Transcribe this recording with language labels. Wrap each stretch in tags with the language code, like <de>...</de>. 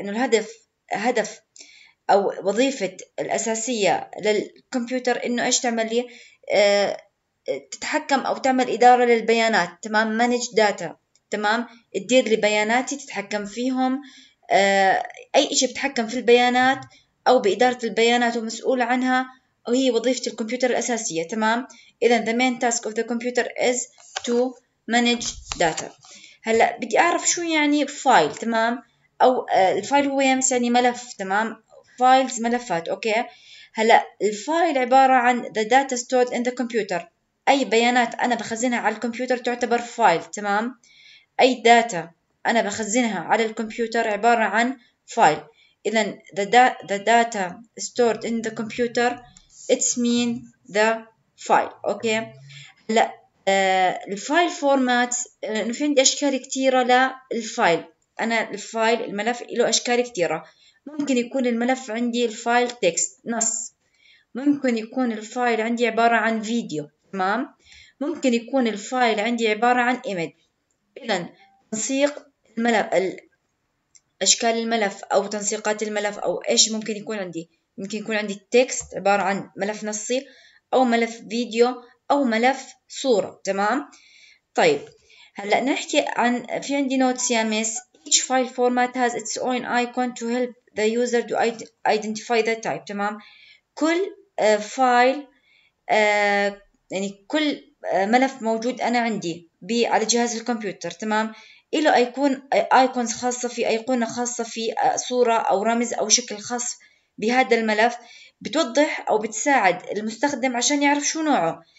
<ar>إنه الهدف، هدف أو وظيفة الأساسية للكمبيوتر إنه إيش تعمل لي، تتحكم أو تعمل إدارة للبيانات. تمام،</ar> <en>manage data،</en> <ar>تمام، تدير لي بياناتي، تتحكم فيهم، أي إشي بتحكم في البيانات أو بإدارة البيانات ومسؤول عنها وهي وظيفة الكمبيوتر الأساسية. تمام، إذا</ar> <en>the main task of the computer is to manage data.</en> <ar>هلا بدي اعرف شو يعني فايل. تمام، او الفايل هو يمس يعني ملف. تمام، فايلز ملفات. اوكي، هلا الفايل عباره عن</ar> <en>the data stored in the computer،</en> <ar>اي بيانات انا بخزنها على الكمبيوتر تعتبر فايل. تمام، اي data انا بخزنها على الكمبيوتر عباره عن فايل. اذا</ar> <en>the data stored in the computer it's mean the file.</en> <ar>اوكي، هلا الفايل فورمات، انه في عندي اشكال كثيره للفايل. انا الفايل الملف له اشكال كثيره، ممكن يكون الملف عندي الفايل تكست نص، ممكن يكون الفايل عندي عباره عن فيديو. تمام، ممكن يكون الفايل عندي عباره عن ايمج. اذا تنسيق الملف، اشكال الملف او تنسيقات الملف او ايش ممكن يكون عندي، ممكن يكون عندي تكست عباره عن ملف نصي او ملف فيديو او ملف صورة. تمام، طيب هلأ نحكي عن، في عندي notes يا ميس.</ar> <en>each file format has its own icon to help the user to identify the type.</en> <ar>تمام، كل file يعني كل ملف موجود انا عندي على جهاز الكمبيوتر. تمام، إله ايكون، ايكونز خاصة في، ايقونة خاصة في، صورة او رمز او شكل خاص بهذا الملف بتوضح او بتساعد المستخدم عشان يعرف شو نوعه.</ar>